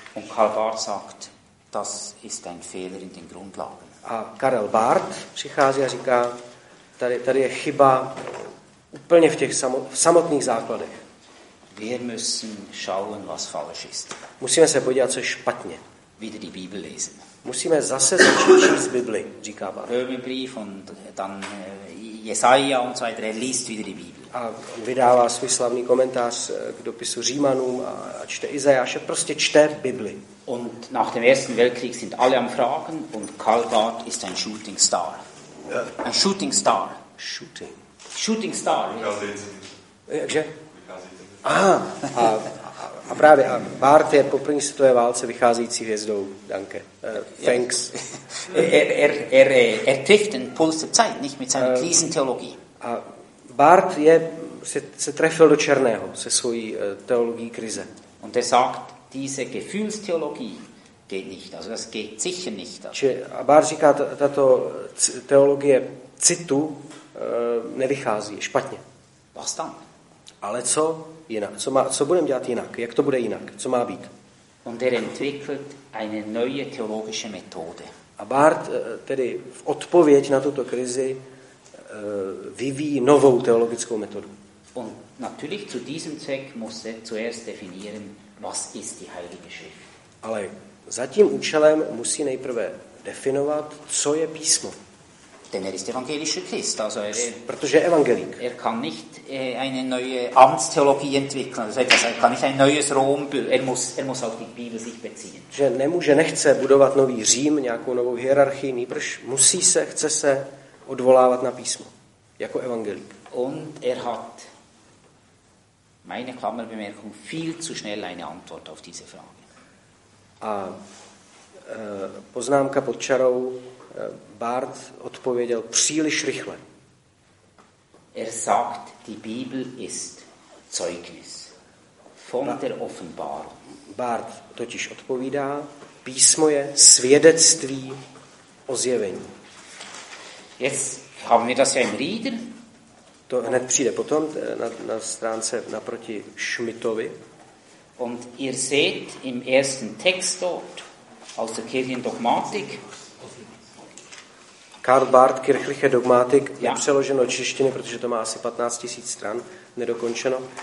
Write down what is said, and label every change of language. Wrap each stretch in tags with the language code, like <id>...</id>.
<de>Und Karl Barth sagt, das ist ein Fehler in den Grundlagen.</de> <cs>A Karel Barth přichází a říká, tady je chyba úplně v těch samotných základech.</cs> <de>Wir müssen schauen, was falsch ist.</de> <cs>Musíme se podívat, co je špatně.</cs> <de>Wieder die Bibel lesen.</de> <cs>Musíme zase začít číst Bibli, říká Barth.</cs> <de>Römerbrief und dann Jesaja und so weiter, liest wieder die Bibel.</de> <cs>A vydává svůj slavný komentář k dopisu Římanům a čte Izajáše, prostě čte Bibli.</cs> <de>Und nach dem Ersten Weltkrieg sind alle am Fragen und Karl Barth ist ein Shooting Star. Ein Shooting Star.</de> <en>Shooting Star.</en> <cs>Jakže? A právě a Barth je po první světové válce vycházející hvězdou,</cs> <de>danke.</de> <en>Thanks.</en> <de>Er trifft den Puls der Zeit, nicht mit seiner Krisentheologie.</de> <cs>A Barth je se trefil do černého se svojí teologií krize.</cs> <de>Und er sagt, diese Gefühlstheologie geht nicht, also das geht sicher nicht.</de> <cs>A Barth říká, tato teologie citu nevychází, špatně.</cs> <de>Was dann?</de> <cs>Ale co jinak? Co budeme dělat jinak? Jak to bude jinak? Co má být?</cs> <de>Und er entwickelt eine neue theologische Methode.</de> <cs>A Barth tedy v odpověď na tuto krizi vyvíjí novou teologickou metodu.</cs> <de>Und natürlich zu diesem Zweck muss er zuerst definieren, was ist die Heilige Schrift.</de> <cs>Ale za tím účelem musí nejprve definovat, co je písmo.</cs> <de>Denn er ist evangelischer Christ, also</de> <cs>protože je evangelik.</cs> <de>Er kann nicht eine neue Amtstheologie entwickeln, das heißt, er kann nicht ein neues Rom, er muss auf die Bibel sich beziehen.</de> <cs>Že nemůže, nechce budovat nový Řím, nějakou novou hierarchii, nýbrž musí se, chce se odvolávat na písmo, jako evangelik.</cs> <de>Und er hat, meine Klammerbemerkung, viel zu schnell eine Antwort auf diese Frage.</de> <cs>A poznámka pod čarou, Barth odpověděl příliš rychle.</cs> <de>Er sagt, die Bibel ist Zeugnis von der Offenbarung.</de> <cs>Barth totiž odpovídá, písmo je svědectví o zjevení.</cs> <de>Jetzt haben wir das ja im Rieder.</de> <cs>To hned přijde potom na stránce naproti Schmidtovi.</cs> <de>Und ihr seht im ersten Text dort aus der Kirchendogmatik.</de> <cs>Karl Barth, Kirchliche Dogmatik, je přeloženo češtiny, protože to má asi 15 000 stran, nedokončeno.</cs>